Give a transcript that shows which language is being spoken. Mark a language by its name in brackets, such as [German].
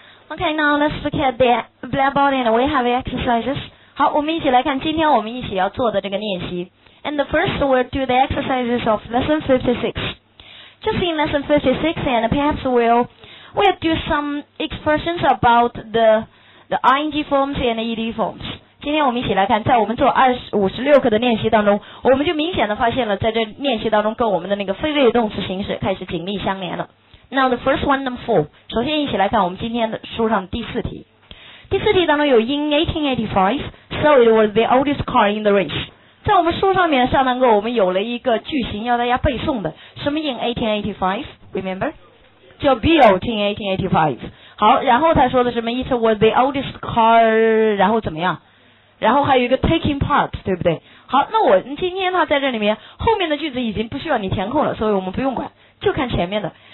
[English] Okay, now let's look at the black body and we have exercises. [Chinese] 好，我们一起来看今天我们一起要做的这个练习。 [English] And the first, we'll do the exercises of lesson 56. Just in lesson 56, and perhaps we'll do some expressions about the ing forms and the ed forms. [Chinese] 今天我们一起来看，在我们做56课的练习当中，我们就明显的发现了，在这练习当中跟我们的那个非谓语动词形式开始紧密相连了。 [English] Now the first one, number 4. [Chinese] 首先一起来看我们今天的书上第四题。第四题当中有 [English] In 1885, so it was the oldest car in the race. [Chinese] 在我们书上面上堂课我们有了一个句型要大家背诵的。 [English] 什么 In 1885? Remember? 叫 built in 1885. [Chinese] 好，然后他说的什么 [English] It was the oldest car, [Chinese] 然后怎么样？然后还有一个 taking part, 对不对？好，那我今天他在这里面后面的句子已经不需要你填空了，所以我们不用管，就看前面的。